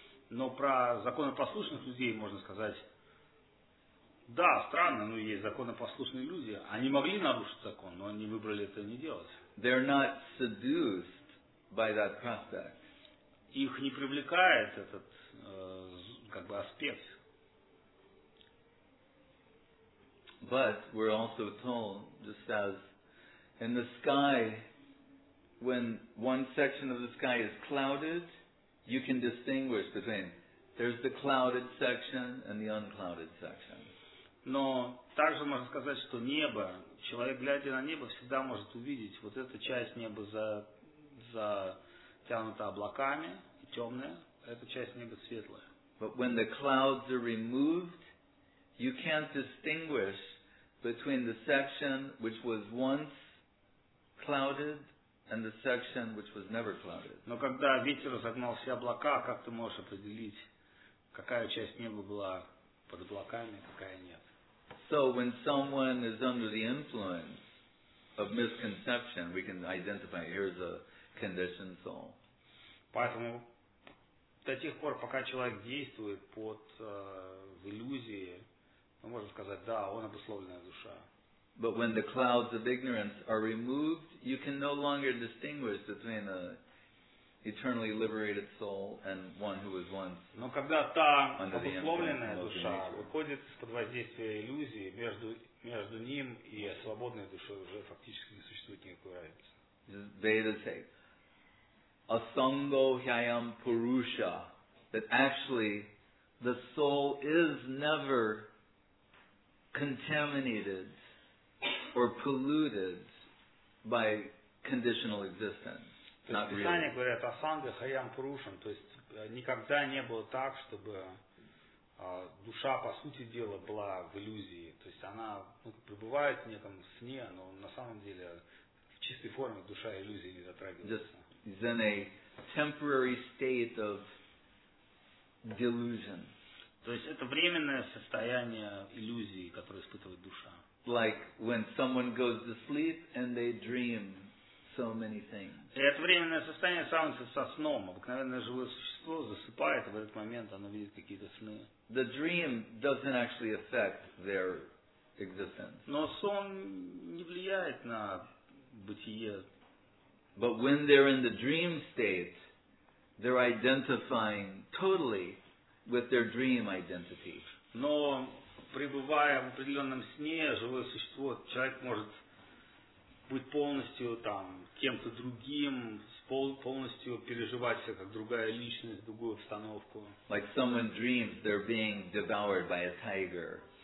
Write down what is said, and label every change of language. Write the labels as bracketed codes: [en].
[ru] Но про законопослушных людей можно сказать, да, странно, но есть законопослушные люди. Они могли нарушить закон, но они выбрали это не делать. [en] They're not seduced by that prospect. [ru] Их не привлекает этот как бы аспект. [en] But we're also told, just as in the sky, when one section of the sky is clouded, you can distinguish between there's the clouded section and the unclouded section. [ru] Но также можно сказать, что небо, человек, глядя на небо, всегда может увидеть вот эта часть неба затянута облаками, темная, а эта часть неба светлая. [en] But when the clouds are removed, you can't distinguish between the section which was once clouded and the section which was never clouded. [ru] Но когда ветер загнал все облака, как ты можешь определить, какая часть неба была под облаками, какая нет? [en] So when someone is under the influence of misconception, we can identify here's a conditioned soul. [ru] Поэтому до тех пор, пока человек действует под иллюзией, мы можем сказать, да, он обусловленная душа. [en] But when the clouds of ignorance are removed, you can no longer distinguish between an eternally liberated soul and one who was once under the influence. [ru] Но когда та обусловленная душа выходит из-под воздействия иллюзии, между ним и свободной душой уже фактически не существует никакой разницы. [en] Veda says, Asango Hyam Purusha, that actually the soul is never contaminated or polluted by conditional existence. [ru] Писание говорит Асанга Хаям Пурушам, то есть никогда не было так, чтобы душа, по сути дела, была в иллюзии. То есть она пребывает в неком сне, но на самом деле в чистой форме душа иллюзии не затрагивается. [en] Is in a temporary state of delusion. [ru] То есть это временное состояние иллюзии, которое испытывает душа. [en] Like when someone goes to sleep and they dream so many things. [ru] И это временное состояние сравнится со сном. Обыкновенное живое существо засыпает, и в этот момент оно видит какие-то сны. [en] The dream doesn't actually affect their existence. [ru] Но сон не влияет на бытие. [en] But when they're in the dream state, they're identifying totally with their dream identity. [ru] Но пребывая в определенном сне, живое существо, человек может быть полностью там кем-то другим, полностью переживать себя как другая личность, другую обстановку. [en] Like someone dreams they're being devoured by a tiger.